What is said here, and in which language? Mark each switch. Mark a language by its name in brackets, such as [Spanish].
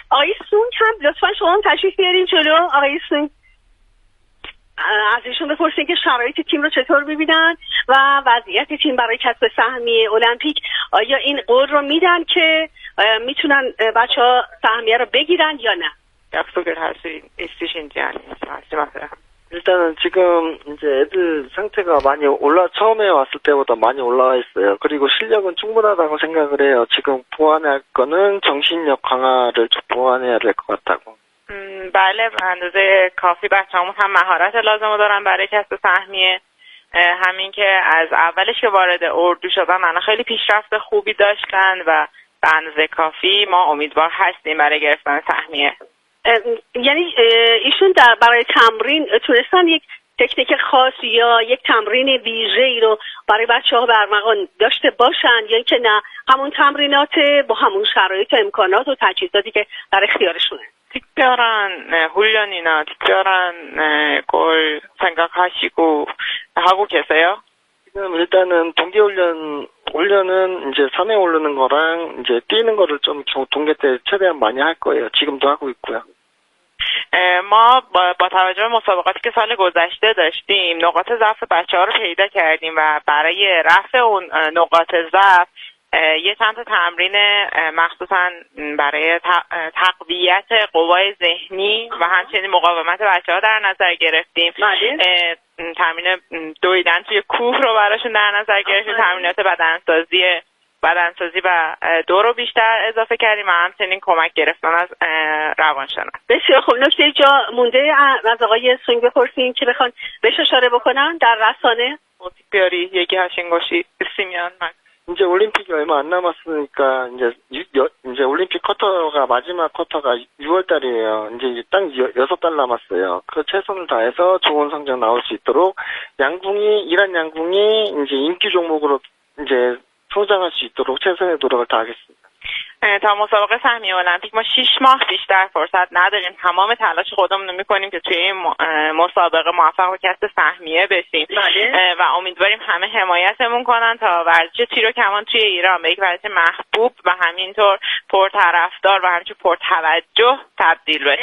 [Persian] آقای سونگ هم لطفا شما هم تشریف بیارین جلو. آقای سونگ از ایشون بپرسین که شرایط تیم رو چطور می‌بینن و وضعیت تیم برای کسب سهمیه المپیک، آیا این قول رو میدن که میتونن بچه‌ها سهمیه رو بگیرن یا نه؟ دفتر هستین استیشن جان هستم. [Korean] 일단은 지금 이제 애들 상태가 많이 올라 처음에 왔을 때보다 많이 올라와 있어요. 그리고 실력은 충분하다고 생각을 해요. 지금 보완할 거는 정신력 강화를 보완해야 될 것 같다고. [Persian] بله به اندازه کافی بچه همون هم مهارت لازم رو دارن برای کسب سهمیه. همین که از اولش که وارد اردو شدن الان خیلی پیشرفت خوبی داشتن و به اندازه کافی ما امیدوار هستیم برای گرفتن سهمیه. یعنی ایشون در برای تمرین تونستن یک تکنیک خاص یا یک تمرین ویژه ای رو برای بچه ها برمغان داشته باشن یا اینکه نه همون تمرینات با همون شرایط و امکانات و تجهیزاتی که در اختیارشونه؟ [Korean] 특별한 훈련이나 특별한 걸 생각하시고 하고 계세요? 지금 일단은 동계 훈련, 훈련은 이제 산에 오르는 거랑 이제 뛰는 거를 좀 동계 때 최대한 많이 할 거예요. 지금도 하고 있고요. [Persian] ما با توجه به مسابقاتی که سال گذشته داشتیم نقاط ضعف بچه‌ها رو پیدا کردیم و برای رفع اون نقاط ضعف یه چند تا تمرین مخصوصا برای تقویت قوای ذهنی و همچنین مقاومت بچه‌ها در نظر گرفتیم. تمرین دویدن توی کوه رو براشون در نظر گرفتیم. تمرینات بدنسازی و دو رو بیشتر اضافه کردیم و همچنین کمک گرفتن از روانشناس. بسیار خوب. نکته جا مونده از آقای سونگ بپرسیم که بخوان بهش اشاره بکنن در رسانه. بیاری یکی هشنگوشی سیمیان من. [Korean] 이제 올림픽이 얼마 안 남았으니까 이제 올림픽 쿼터가 마지막 쿼터가 6월 달이에요. 이제 딱 6달 남았어요. 그 최선을 다해서 좋은 성적 나올 수 있도록 이란 양궁이 이제 인기 종목으로 이제 성장할 수 있도록 최선의 노력을 다하겠습니다. [Persian] تا مسابقه سهمیه المپیک ما 6 ماه بیشتر فرصت نداریم. تمام تلاش خودمون رو می‌کنیم که توی این مسابقه موفق به کسب سهمیه بشیم و امیدواریم همه حمایتمون کنن تا ورزش تیر و کمان توی ایران به یک ورزش محبوب و همینطور پرطرفدار و همینطور پرتوجه تبدیل بشه.